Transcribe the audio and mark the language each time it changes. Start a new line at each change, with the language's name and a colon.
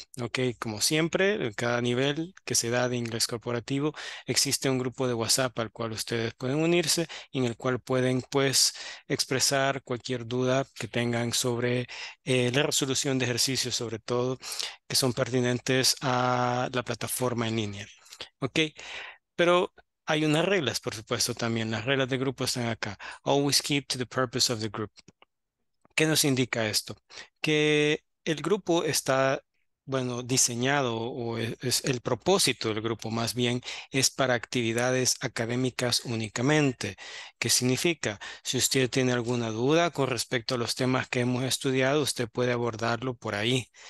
Spanish: Ok, como siempre, en cada nivel que se da de inglés corporativo, existe un grupo de WhatsApp al cual ustedes pueden unirse y en el cual pueden, pues, expresar cualquier duda que tengan sobre la resolución de ejercicios, sobre todo, que son pertinentes a la plataforma en línea. Ok, pero hay unas reglas, por supuesto, también. Las reglas del grupo están acá.
English: Always keep to the purpose of the group.
Spanish: ¿Qué nos indica esto? Que el grupo está, bueno, diseñado, o es el propósito del grupo más bien, es para actividades académicas únicamente. ¿Qué significa? Si usted tiene alguna duda con respecto a los temas que hemos estudiado, usted puede abordarlo por ahí.